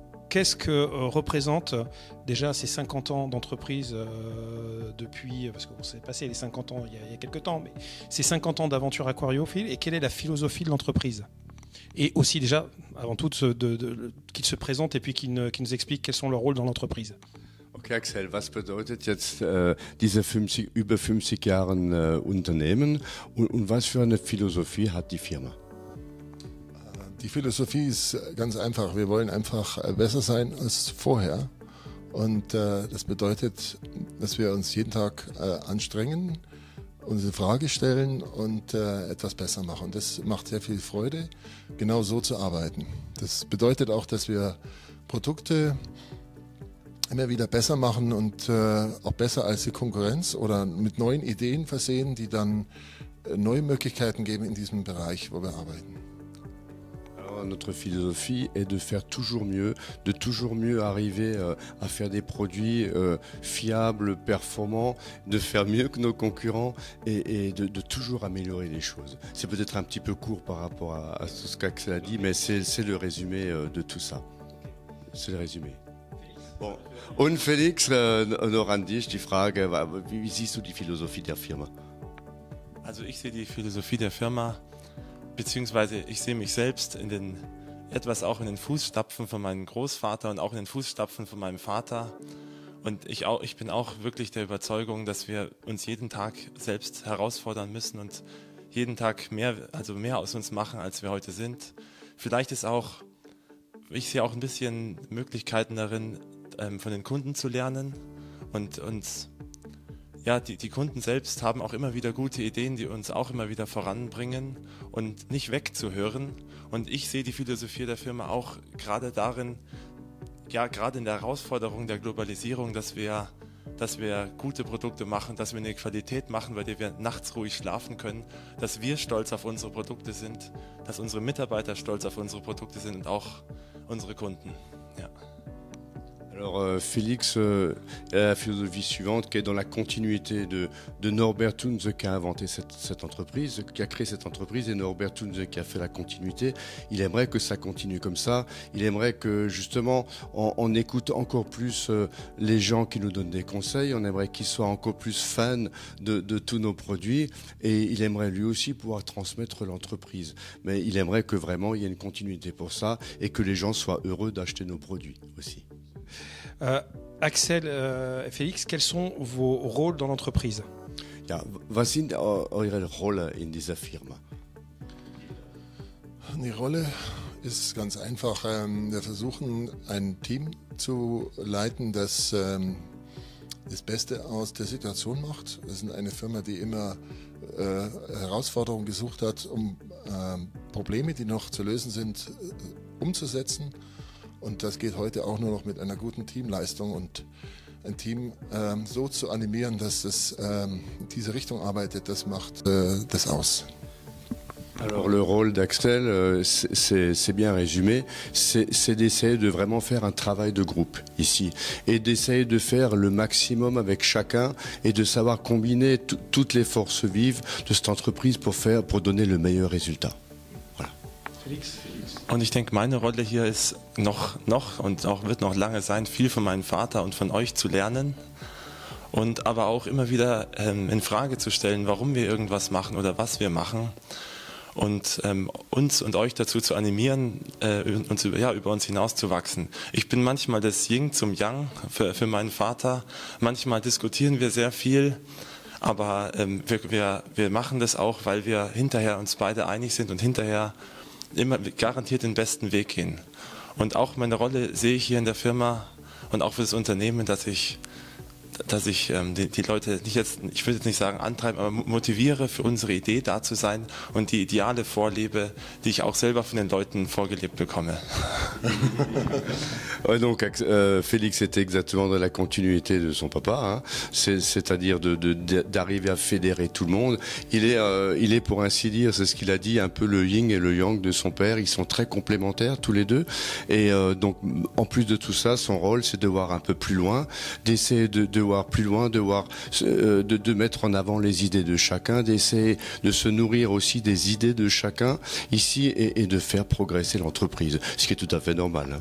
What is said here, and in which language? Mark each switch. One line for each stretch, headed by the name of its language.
French: qu'est-ce que représente déjà ces 50 ans d'entreprise depuis, parce qu'on s'est passé les 50 ans il y a quelques temps, mais ces 50 ans d'aventure aquariophile, et quelle est la philosophie de l'entreprise? Et aussi déjà, avant tout, qu'ils se présentent et puis qu'ils nous expliquent quels sont leurs rôles dans l'entreprise.
German: Ok Axel, was bedeutet jetzt diese 50, über 50 Jahre Unternehmen und was für eine Philosophie hat die Firma? Die Philosophie ist ganz einfach. Wir wollen einfach besser sein als vorher. Und das bedeutet, dass wir uns jeden Tag anstrengen, unsere Frage stellen und etwas besser machen. Das macht sehr viel Freude, genau so zu arbeiten. Das bedeutet auch, dass wir Produkte immer wieder besser machen und auch besser als die Konkurrenz oder mit neuen Ideen versehen, die dann neue Möglichkeiten geben in diesem Bereich, wo wir arbeiten.
French: Notre philosophie est de faire toujours mieux arriver à faire des produits fiables, performants, de faire mieux que nos concurrents et de toujours améliorer les choses. C'est peut-être un petit peu court par rapport à tout ce qu'Axel a dit, mais c'est le résumé de tout ça. C'est le résumé. Bon.
German: Und Felix, noch an dich die Frage, wie siehst du die Philosophie der Firma? Also ich sehe die Philosophie der Firma, beziehungsweise ich sehe mich selbst in den etwas auch in den Fußstapfen von meinem Großvater und auch in den Fußstapfen von meinem Vater. Und ich bin auch wirklich der Überzeugung, dass wir uns jeden Tag selbst herausfordern müssen und jeden Tag mehr aus uns machen, als wir heute sind. Vielleicht ist auch, ich sehe auch ein bisschen Möglichkeiten darin, von den Kunden zu lernen und uns, ja, die Kunden selbst haben auch immer wieder gute Ideen, die uns auch immer wieder voranbringen und nicht wegzuhören. Und ich sehe die Philosophie der Firma auch gerade darin, ja, gerade in der Herausforderung der Globalisierung, dass wir gute Produkte machen, dass wir eine Qualität machen, bei der wir nachts ruhig schlafen können, dass wir stolz auf unsere Produkte sind, dass unsere Mitarbeiter stolz auf unsere Produkte sind und auch unsere Kunden. Ja.
French: Alors Félix, la philosophie suivante qui est dans la continuité de Norbert Thunze qui a inventé cette entreprise, qui a créé cette entreprise et Norbert Thunze qui a fait la continuité, il aimerait que ça continue comme ça, il aimerait que justement on écoute encore plus les gens qui nous donnent des conseils, on aimerait qu'ils soient encore plus fans de tous nos produits et il aimerait lui aussi pouvoir transmettre l'entreprise. Mais il aimerait que vraiment il y ait une continuité pour ça et que les gens soient heureux d'acheter nos produits aussi. Axel, Félix, quels sont vos rôles dans l'entreprise?
German: Ja, was sind eure Rolle in dieser Firma? Die Rolle ist ganz einfach. Wir versuchen, ein Team zu leiten, das das Beste aus der Situation macht. Wir sind eine Firma, die immer Herausforderungen gesucht hat, um Probleme, die noch zu lösen sind, umzusetzen. Und das geht heute auch nur noch mit einer guten Teamleistung und ein Team so zu animieren, dass es in diese Richtung arbeitet, das macht das aus.
French: Alors le rôle d'Axel, c'est bien résumé, c'est d'essayer de vraiment faire un travail de groupe ici et d'essayer de faire le maximum avec chacun et de savoir combiner toutes les forces vives de cette entreprise pour donner le meilleur résultat.
German: Und ich denke, meine Rolle hier ist noch und auch wird noch lange sein, viel von meinem Vater und von euch zu lernen und aber auch immer wieder in Frage zu stellen, warum wir irgendwas machen oder was wir machen und uns und euch dazu zu animieren, über uns hinauszuwachsen. Ich bin manchmal das Yin zum Yang für meinen Vater. Manchmal diskutieren wir sehr viel, Aber wir machen das auch, weil wir hinterher uns beide einig sind und hinterher immer garantiert den besten Weg gehen. Und auch meine Rolle sehe ich hier in der Firma und auch für das Unternehmen, dass ich die Leute nicht jetzt, ich würde jetzt nicht sagen antreiben, aber motiviere, für unsere Idee da zu sein und die Ideale vorlebe, die ich auch selber von den Leuten vorgelebt bekomme.
French: Ouais, donc Félix était exactement dans la continuité de son papa, hein. C'est-à-dire d'arriver à fédérer tout le monde. Il est pour ainsi dire, c'est ce qu'il a dit, un peu le yin et le yang de son père. Ils sont très complémentaires tous les deux. Et donc en plus de tout ça, son rôle c'est de voir un peu plus loin, d'essayer de voir plus loin, de voir de mettre en avant les idées de chacun, d'essayer de se nourrir aussi des idées de chacun ici et de faire progresser l'entreprise, ce qui est tout à fait normal.